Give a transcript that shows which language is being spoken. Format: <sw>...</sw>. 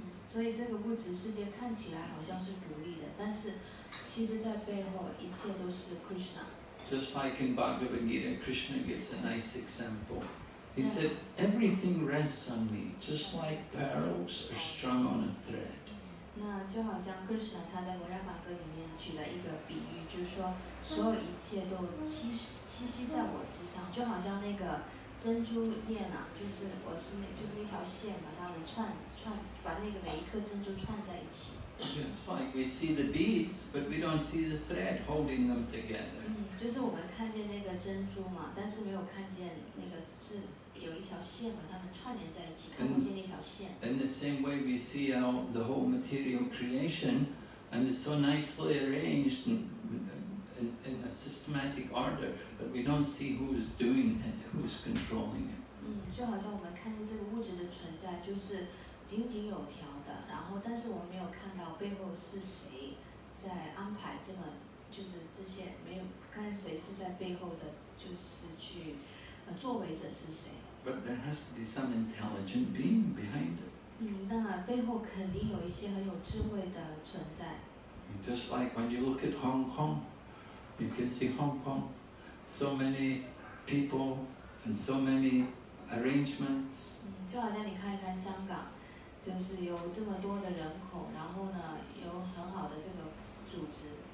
<zh>所以这个物质世界看起来好像是独立的，但是其实在背后一切都是 Krishna。</zh> <en>Just like in Bhagavad Gita, Krishna gives a nice example. He said, everything rests on me, just like pearls are strung on a thread.</en> <zh>那就好像 Krishna 他在维亚法歌里面举了一个比喻，就是说所有一切都栖息在我之上，就好像那个珍珠链啊，就是我是那，就是一条线把它们串，把那个每一颗珍珠串在一起。</zh> <en>Just like we see the beads, but we don't see the thread holding them together.</en> <zh>就是我们看见那个珍珠嘛，但是没有看见那个是有一条线把它们串联在一起，看不见那条线。</zh> <en>In the same way, we see how the whole material creation, and it's so nicely arranged in a systematic order, but we don't see who is doing it, who is controlling it.</en> <zh>就好像我们看见这个物质的存在，就是井井有条的，然后但是我们没有看到背后是谁在安排这么，就是这些没有看见谁是在背后的，就是去作为者是谁。</zh> <en>But there has to be some intelligent being behind it.</en> <zh>那背后肯定有一些很有智慧的存在。</zh> <en>Just like when you look at Hong Kong. You can see Hong Kong, so many people and so many arrangements.</en> <zh>就好像你看一看香港，就是有这么多的人口，然后呢，有很好的这个组织。</zh>